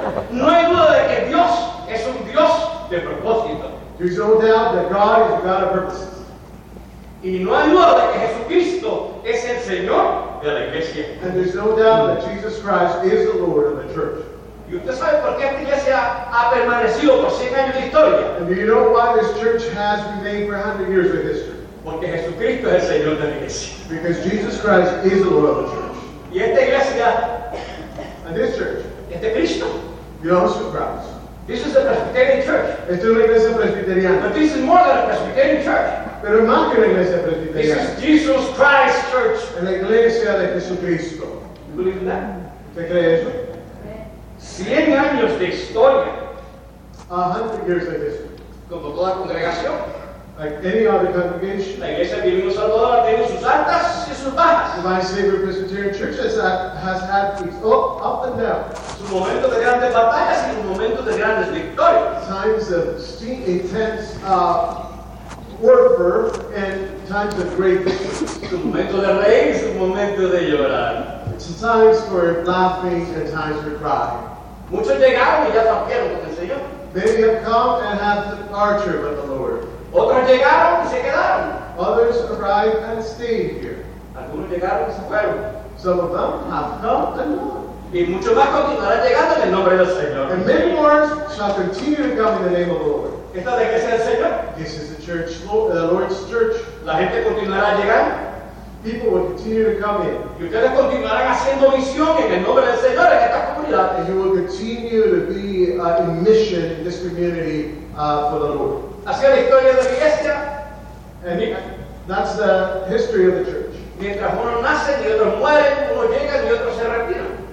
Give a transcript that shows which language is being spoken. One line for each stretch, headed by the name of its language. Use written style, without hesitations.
Spanish: No hay duda de que Dios es un Dios de propósito.
English: There's no doubt that God is a God of purposes.
Spanish: Y no hay duda de que Jesucristo es el Señor de la iglesia.
English: And there's no doubt that Jesus Christ is the Lord of the church.
Spanish: ¿Y usted sabe por qué esta iglesia ha permanecido por 100 años de historia?
English: And do you know why this church has remained for 100 years of history?
Spanish: Porque Jesucristo es el Señor de la iglesia.
English: Because Jesus Christ is the Lord of the church.
Spanish: Y esta iglesia.
English: And this church.
Spanish: Este Cristo.
English: Belongs to Christ. This is a Presbyterian church.
Spanish: Esto es una iglesia presbiteriana.
English: But this is more than a Presbyterian church.
Spanish: Pero más que una iglesia presbiteriana.
English: This is Jesus Christ church.
Spanish: En la iglesia de Jesucristo.
English: You believe in that?
Spanish: ¿Te crees eso? 100 años de historia.
English: 100 years of history.
Spanish: Como toda congregación.
English: Like any other congregation.
Spanish: La iglesia de Divino Salvador tiene sus altas y sus bajas.
English: And my Savior Presbyterian Church has had these up and down.
Spanish: Su momento de grandes batallas y un momento de grandes victorias.
English: Times of intense warfare and times of great victory.
Spanish: Su momento de reír y su momento de llorar.
English: It's times for laughing and times for crying.
Spanish: Muchos llegaron y ya partieron con el Señor.
English: Many have come and have departure with the Lord.
Spanish: Otros llegaron y se quedaron.
English: Others arrived and stayed here.
Spanish: Algunos llegaron y se fueron.
English: Some of them have come and gone.
Spanish: Y muchos más continuarán llegando en el nombre del Señor.
English: And many more shall continue to come in the name of the Lord.
Spanish: ¿Esta de qué es el Señor?
English: This is the church, the Lord's church.
Spanish: La gente continuará llegando.
English: People will continue to come in.
Spanish: Y ustedes continuarán haciendo misión en el nombre del Señor en esta comunidad.
English: And you will continue to be in mission in this community for the Lord.
Spanish: Así es la historia de la iglesia.
English: And that's the history of the church.
Spanish: Mientras unos nacen y otros mueren, unos llegan y otros se retiran.